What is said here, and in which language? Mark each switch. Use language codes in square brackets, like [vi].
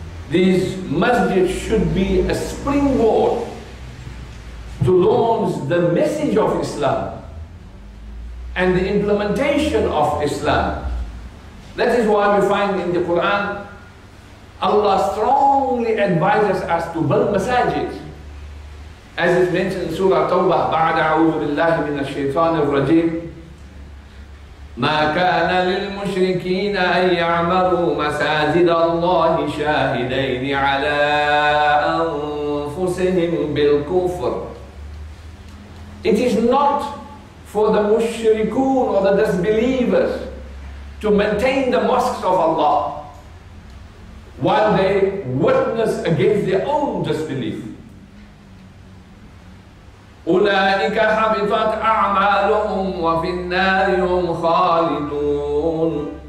[en] These masjids should be a springboard to launch the message of Islam and the implementation of Islam. That is why we find in the Quran, Allah strongly advises us to build masajid. As it mentioned in Surah Tawbah, [ar] بعد أعوذ بالله من الشيطان الرجيم ما كان للمشركين أن يعمروا مساجد الله شاهدين على أنفسهم بالكفر. [en] It is not for the mushrikun or the disbelievers to maintain the mosques of Allah while they witness against their own disbelief. [ar] أُولَٰئِكَ حَبِطَتْ أَعْمَالُهُمْ وَفِي النَّارِ هُمْ خَالِدُونَ.